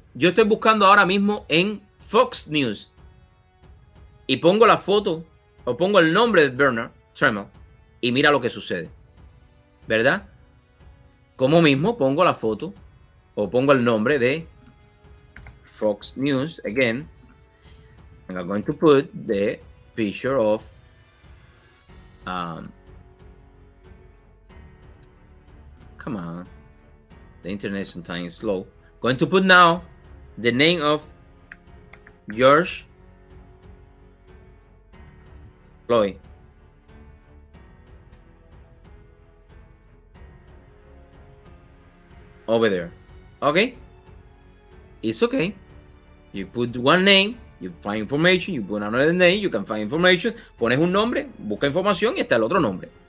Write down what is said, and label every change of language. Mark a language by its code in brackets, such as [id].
[es] Yo estoy buscando ahora mismo en Fox News. Y pongo la foto, o pongo el nombre de Bernard Trammell, y mira lo que sucede. ¿Verdad? Como mismo pongo la foto, o pongo el nombre de Fox News, again. [en] And I'm going to put the picture of come on. The internet sometimes is slow. Going to put now the name of George Floyd. Over there. Okay. It's okay. You put one name, you find information, you put another name, you can find information. [es] Pones un nombre, busca información y está el otro nombre.